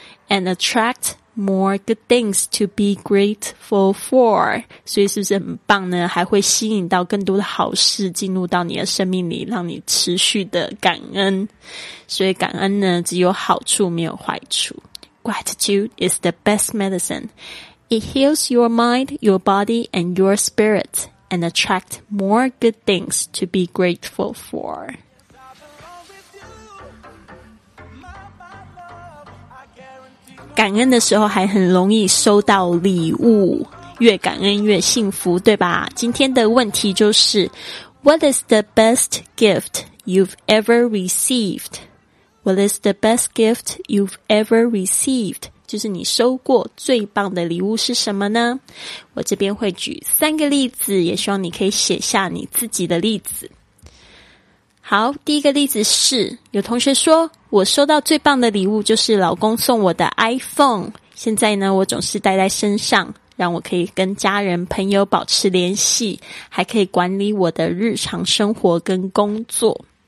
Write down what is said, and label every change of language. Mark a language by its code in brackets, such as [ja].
[en] And attract more good things to be grateful for. [zh] 所以是不是很棒呢？还会吸引到更多的好事进入到你的生命里，让你持续的感恩。所以感恩呢，只有好处没有坏处。 [en] Gratitude is the best medicine. It heals your mind, your body, and your spirit. And attract more good things to be grateful for. [zh] 感恩的时候还很容易收到礼物，越感恩越幸福，对吧？今天的问题就是 [en] What is the best gift you've ever received? What is the best gift you've ever received? [zh] 就是你收过最棒的礼物是什么呢？我这边会举三个例子，也希望你可以写下你自己的例子。好，第一个例子是，有同学说，我收到最棒的礼物就是老公送我的 iPhone， 现在呢，我总是带在身上，让我可以跟家人朋友保持联系，还可以管理我的日常生活跟工作。